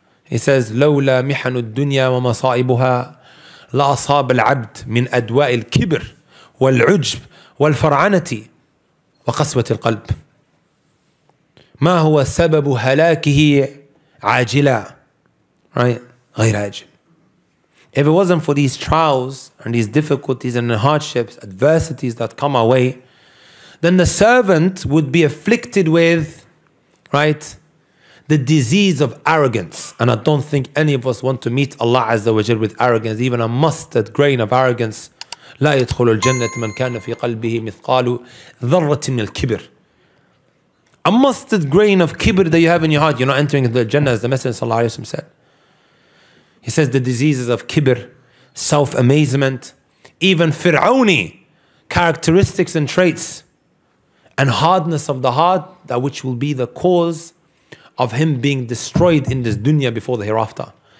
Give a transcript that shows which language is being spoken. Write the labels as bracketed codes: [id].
[en] He says, [ar] لولا محن الدنيا ومصائبها لأصاب العبد من أدواء الكبر والعجب والفرعنة وقسوة القلب. ما هو سبب هلاكه عاجلا؟ Right? غير عاجل. [en] If it wasn't for these trials and these difficulties and the hardships, adversities that come our way, then the servant would be afflicted with, right, the disease of arrogance. And I don't think any of us want to meet Allah Azza wa Jal with arrogance, even a mustard grain of arrogance. [ar] لا يدخل الجنة من كان في قلبه مثقال ذرة من الكبر. [en] A mustard grain of kibr that you have in your heart, you're not entering the Jannah, as the Messenger sallallahu alayhi wa sallam said. He says the diseases of kibr, self-amazement, even fir'auni characteristics and traits, and hardness of the heart, that which will be the cause of him being destroyed in this dunya before the hereafter.